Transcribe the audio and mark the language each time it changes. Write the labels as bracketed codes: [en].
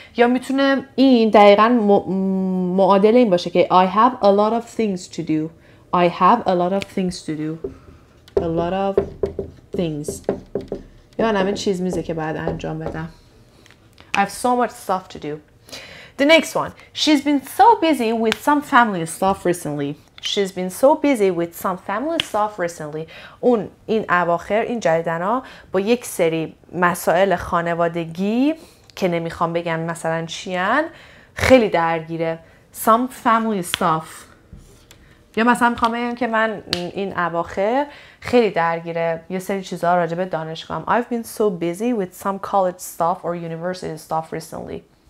[fa] یا میتونه این دقیقا معادل این باشه که [en] I have a lot of things to do. I have a lot of things to do. A lot of things. [fa] یا نمه چیز میزه که باید انجام بدم. [en] I have so much stuff to do. The next one. She's been so busy with some family stuff recently. She's been so busy with some family stuff recently. [fa] اون این اواخر این جدیدنا با یک سری مسائل خانوادگی که نمیخوام بگم مثلا چیان خیلی درگیره. [en] Some family stuff. [fa] یا مثلا میخوام بگم که من این اواخر خیلی درگیره یه سری چیزها راجع به دانشگاهم. [en] I've been so busy with some college stuff or university stuff recently.